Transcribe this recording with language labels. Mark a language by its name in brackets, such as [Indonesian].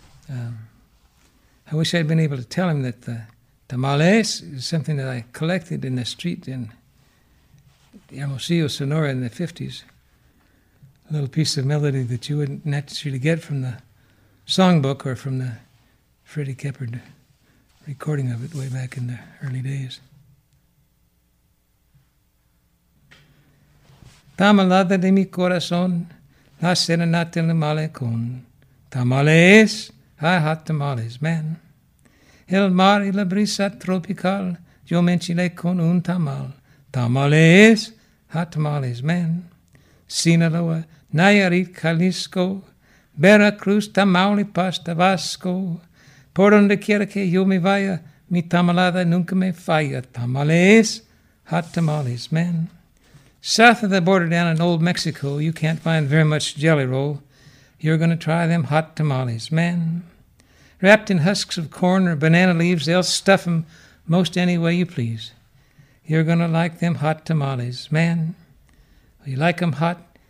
[English] I wish I'd been able to tell him that the tamales is something that I collected in the street in Hermosillo, Sonora in the 50s. A little piece of melody that you wouldn't naturally get from the songbook or from the Freddie Keppard recording of it way back in the early days. [Spanish] Tamalada de mi corazón, la serenata en el malecón. Tamales, hay [English] hot tamales, man. [Spanish] El mar y la brisa tropical, yo me enchilé con un tamal. [English] Tamales, hot tamales, man. Sinaloa, Nayarit, Jalisco, Veracruz, Tamaulipas, Tabasco. [Spanish] Por donde quiera que yo me vaya, mi tamalada nunca me falla. [English] Tamales, hot tamales, man. South of the border down in old Mexico, you can't find very much jelly roll. You're going to try them hot tamales, man. Wrapped in husks of corn or banana leaves, they'll stuff them most any way you please. You're going to like them hot tamales, man. You like them hot.